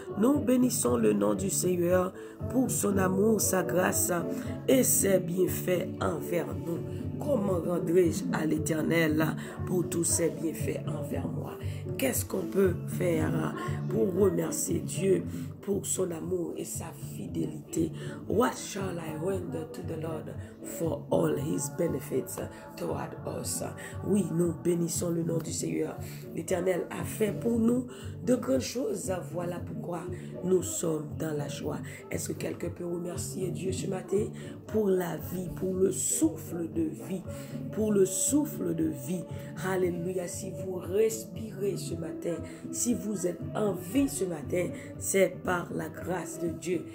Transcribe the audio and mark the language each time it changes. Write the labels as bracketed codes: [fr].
[fr] Nous bénissons le nom du Seigneur pour son amour, sa grâce et ses bienfaits envers nous. Comment rendrai-je à l'Éternel pour tous ses bienfaits envers moi? Qu'est-ce qu'on peut faire pour remercier Dieu pour son amour et sa fidélité? [en] What shall I render to the Lord for all his benefits toward us? [fr] Oui, nous bénissons le nom du Seigneur. L'Éternel a fait pour nous de grandes choses. Voilà pourquoi nous sommes dans la joie. Est-ce que quelqu'un peut remercier Dieu ce matin pour la vie, pour le souffle de vie, pour le souffle de vie? Alléluia, si vous respirez ce matin, si vous êtes en vie ce matin, c'est par la grâce de Dieu.